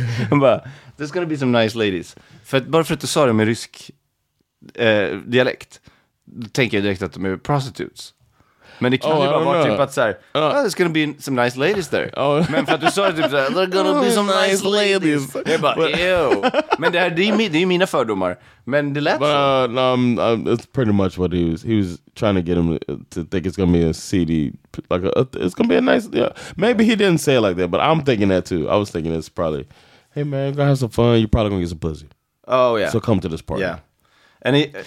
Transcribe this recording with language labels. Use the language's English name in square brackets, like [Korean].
[Swedish] Han bara, [English] there's going to be some nice ladies. [Swedish] Bara för att du sa det med rysk dialekt, då tänker jag direkt att de är prostitutes. Men det kan ju bara vara typ att så här, [English] there's gonna be some nice ladies there. Oh. [Swedish] Men för att du sa det typ så här, [English] there's gonna be some nice ladies. [Swedish] Jag bara, ew. Men det här, det är ju mina fördomar. Men det lät [English] but, [Swedish] så. [English] No, it's pretty much what he was. He was trying to get him to think it's gonna be a CD. Like, it's gonna be a nice, yeah. Maybe he didn't say it like that, but I'm thinking that too. I was thinking it's probably, hey man, you're gonna have some fun. You're probably gonna get some pussy. Oh, yeah. So come to this party. Yeah. And he...